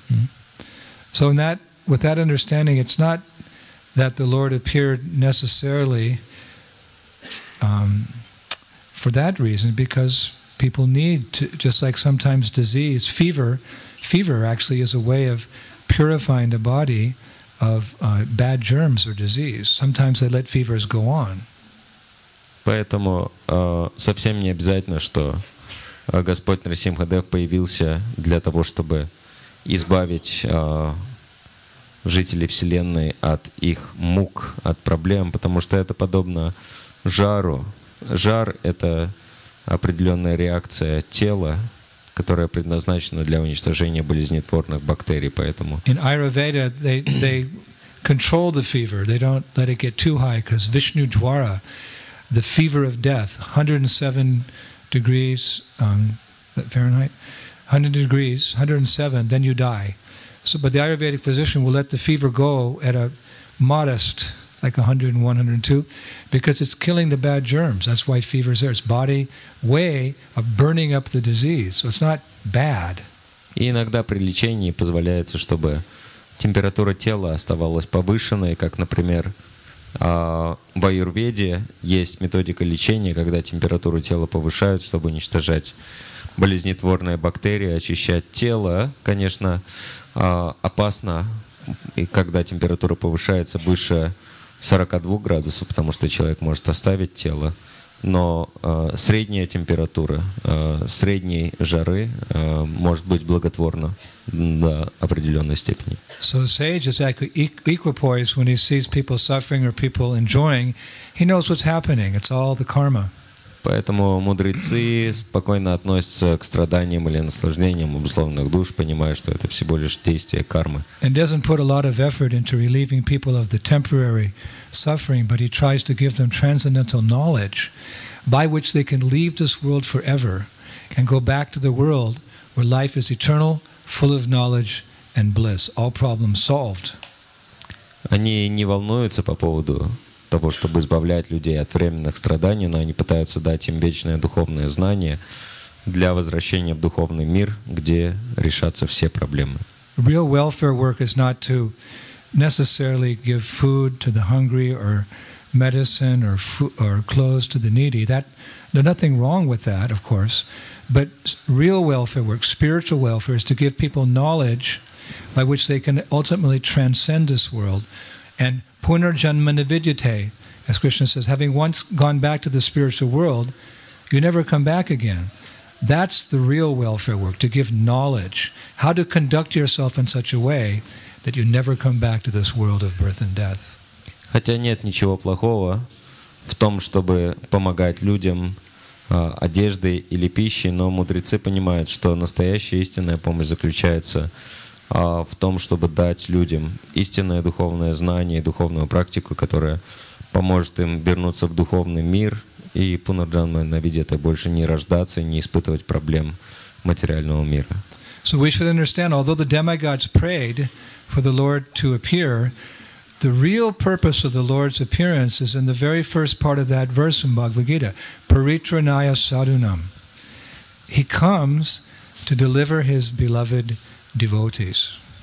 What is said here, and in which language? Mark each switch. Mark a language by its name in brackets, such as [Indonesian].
[English] Mm-hmm. So with that understanding, it's not that the Lord appeared necessarily for that reason, because people need to, just like sometimes disease, fever actually is a way of purifying the body of bad germs or disease. Sometimes they let fevers go on. [Russian] Поэтому совсем не обязательно, что Господь Нарсимхадев появился для того, чтобы избавить жителей Вселенной от их мук, от проблем, потому что это подобно жару. Жар — это определенная реакция тела, которая предназначена для уничтожения болезнетворных бактерий, поэтому. [English] In Ayurveda, they control the fever. They don't let it get too high, because Vishnu Dwara, the fever of death, 107 degrees Fahrenheit, 100 degrees, 107, then you die. So, but the Ayurvedic physician will let the fever go at a modest, like 101, 102, because it's killing the bad germs. That's why fever is there. It's body way of burning up the disease. So it's not bad. [Russian] И иногда при лечении позволяется, чтобы температура тела оставалась повышенной, как, например, в Аюрведе есть методика лечения, когда температуру тела повышают, чтобы уничтожать болезнетворные бактерии, очищать тело, конечно, опасно, и когда температура повышается выше 42 градусов, потому что человек может оставить тело. Но средняя температура, средней жары может быть благотворна до определенной степени. [English] So the sage is equipoised when he sees people suffering or people enjoying. He knows what's happening. It's all the karma. [Russian] Поэтому мудрецы спокойно относятся к страданиям или наслаждениям обусловленных душ, понимая, что это всего лишь действие кармы. [English] And doesn't put a lot of effort into relieving people of the temporary suffering, but he tries to give them transcendental knowledge by which they can leave this world forever and go back to the world where life is eternal, full of knowledge and bliss, all problems solved. [Russian] Они не волнуются по поводу того, чтобы избавлять людей от временных страданий, но они пытаются дать им вечное духовное знание для возвращения в духовный мир, где решатся все проблемы. [English] Real welfare work is not to necessarily give food to the hungry or medicine or clothes to the needy. That there's nothing wrong with that, of course. But real welfare work, spiritual welfare, is to give people knowledge by which they can ultimately transcend this world and [Sanskrit] Punarjanma Nividyate, [English] as Krishna says, having once gone back to the spiritual world, you never come back again. That's the real welfare work, to give knowledge, how to conduct yourself in such a way that you never come back to this world of birth and death. [Russian] Хотя нет ничего плохого в том, чтобы помогать людям одеждой или пищей, но мудрецы понимают, что настоящая истинная помощь заключается в том, чтобы дать людям истинное духовное знание и духовную практику, которая поможет им вернуться в духовный мир и [Sanskrit] пунарджанма навидьяте, [Russian] больше не рождаться и не испытывать проблем материального мира. [English] So we should understand, although the demigods prayed for the Lord to appear, the real purpose of the Lord's appearance is in the very first part of that verse in Bhagavad Gita, [Sanskrit] Paritranaya Sadunam. [English] He comes to deliver his beloved devotees.